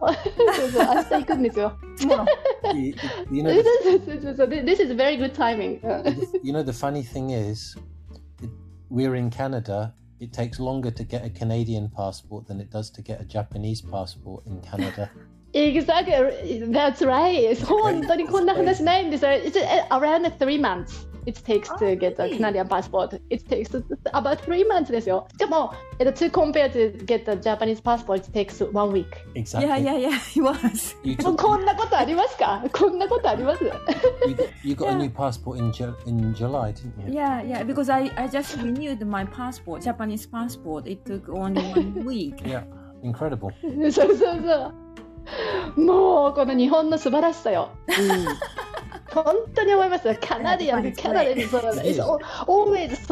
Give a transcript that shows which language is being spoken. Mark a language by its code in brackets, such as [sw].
[ja] そうそう、明日行くんですよ。 [en] This is very good timing. You know, the funny thing is, we're in Canada. It takes longer to get a Canadian passport than it does to get a Japanese passport in Canada. Exactly. That's right. It's around 3 months. It takes to get a Canadian passport. It takes about 3 months. [ja] ですよ。でも、 [en] to compare to get a Japanese passport, it takes 1 week. Exactly. Yeah. It was. [ja] こんなことありますか？こんなことあります？ [en] You got a new passport in July, didn't you? Yeah. Because I just renewed my passport, Japanese passport. It took only 1 week. Yeah. Incredible. [ja] そう。もうこの日本の素晴らしさよ。本当に思いますよ。カナディアンそうです。